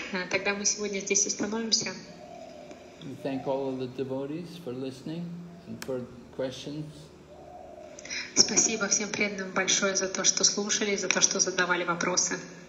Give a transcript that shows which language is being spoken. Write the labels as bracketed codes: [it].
[ru] Тогда мы сегодня здесь остановимся. [en] We thank all of the devotees for listening and for questions. [ru] Спасибо всем преданным большое за то, что слушали, за то, что задавали вопросы.